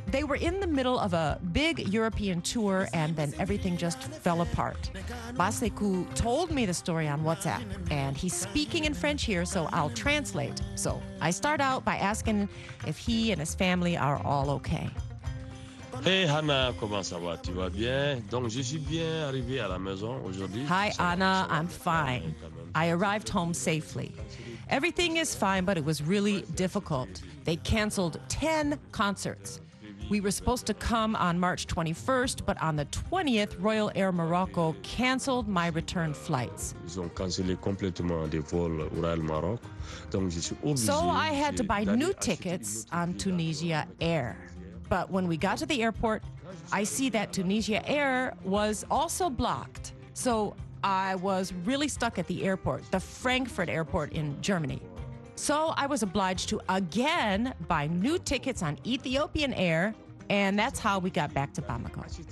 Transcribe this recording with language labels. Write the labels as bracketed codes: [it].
[en] They were in the middle of a big European tour and then everything just fell apart. Ba Seku told me the story on WhatsApp and he's speaking in French here, so I'll translate. So I start out by asking if he and his family are all okay. [fr] Hey Anna, comment ça va? Tu vas bien? Donc je suis bien arrivé à la maison aujourd'hui. [en] Hi Anna, I'm fine. I arrived home safely. Everything is fine, but it was really difficult. They canceled 10 concerts. We were supposed to come on March 21st, but on the 20th, Royal Air Morocco canceled my return flights. [fr] Ils ont cancellé complètement des vols Royal Maroc. Donc je suis obligé. [en] So I had to buy new tickets on Tunisia Air. But when we got to the airport, I see that Tunisia Air was also blocked. So I was really stuck at the airport, the Frankfurt Airport in Germany. So I was obliged to again buy new tickets on Ethiopian Air, and that's how we got back to Bamako.